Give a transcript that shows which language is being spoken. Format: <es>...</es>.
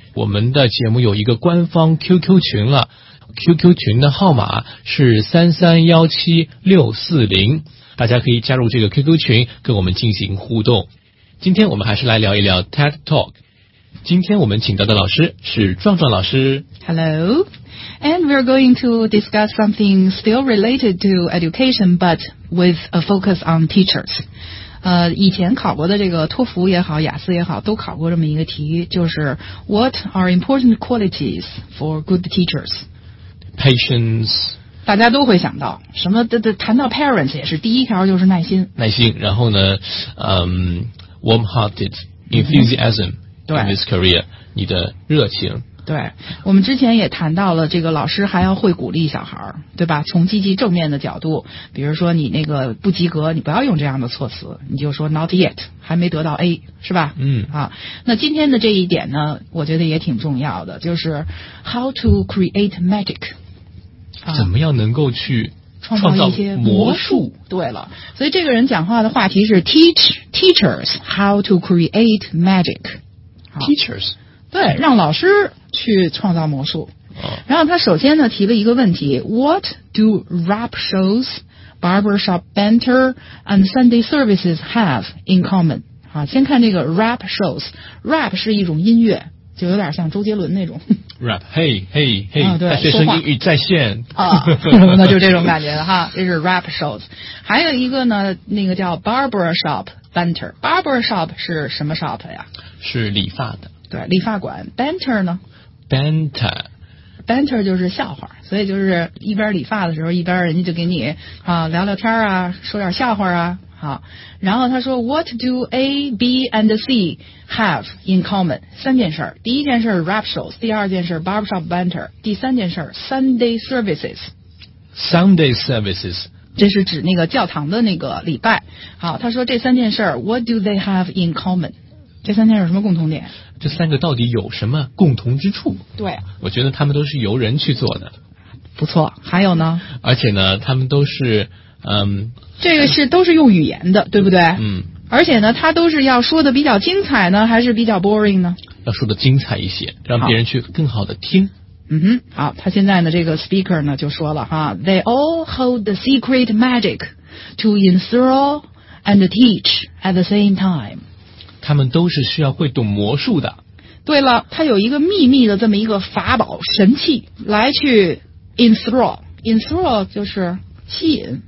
<zh>我们的节目有一个官方 QQ 群了， QQ 群的号码是3317640，大家可以加入这个 QQ 群跟我们进行互动。今天我们还是来聊一聊 TED Talk。今天我们请到的老师是壮壮老师。</zh> <en>HelloAnd we're going to discuss something still related to education, but with a focus on teachers.</en> <zh>以前考过的这个托福也好，雅思也好，都考过这么一个题，就是</zh> <en>What are important qualities for good teachers? Patience.</en> <zh>大家都会想到什么的，谈到 parents 也是第一条，就是耐心。耐心，然后呢，</zh> <en>warm-hearted, enthusiasm in this career,</en> <zh>你的热情。对，我们之前也谈到了这个老师还要会鼓励小孩，对吧？从积极正面的角度，比如说你那个不及格，你不要用这样的措辞，你就说</zh> <en>not yet，</en> <zh>还没得到 A， 是吧？嗯啊，那今天的这一点呢，我觉得也挺重要的，就是</zh> <en>how to create magic，</en> <zh>怎么样能够去创造一些魔术。对了，所以这个人讲话的话题是</zh> <en>teach teachers how to create magic， teachers。</en> <zh>对，让老师去创造魔术。然后他首先呢提了一个问题，</zh> <en>What do rap shows, barbershop banter and Sunday services have in common?</en> <zh>先看这个 rap shows， rap 是一种音乐，就有点像周杰伦那种</zh> <en>rap， hey hey hey、</en> <zh>对，大学生英语在线那就这种感觉哈，这是 rap shows。还有一个呢，那个叫 barbershop banter， barbershop 是什么 shop 呀？是理发的。对，理发馆。banter 呢？</zh> <en>banter</en> <zh>banter 就是笑话，所以就是一边理发的时候，一边人家就给你聊聊天啊，说点笑话啊。好，然后他说</zh> <en>What do A, B and C have in common?</en> <zh>三件事，第一件事 rap shows， 第二件事 barbershop banter， 第三件事 Sunday services。</zh> <en>Sunday services</en> <zh>这是指那个教堂的那个礼拜。好，他说这三件事</zh> <en>What do they have in common？</en> <zh>这三件有什么共同点？这三个到底有什么共同之处？对，我觉得他们都是由人去做的。不错，还有呢？而且呢，他们都是，这个是都是用语言的，对不对？嗯。而且呢，他都是要说的比较精彩呢，还是比较 boring 呢？要说的精彩一些，让别人去更好的听。嗯哼，好，他现在呢，这个</zh> <en>speaker 呢就说了哈 ，They all hold the secret magic to enthrall and teach at the same time。</en> <zh>他们都是需要会懂魔术的。对了，他有一个秘密的这么一个法宝神器来去 enthrall， enthrall 就是吸引。</zh>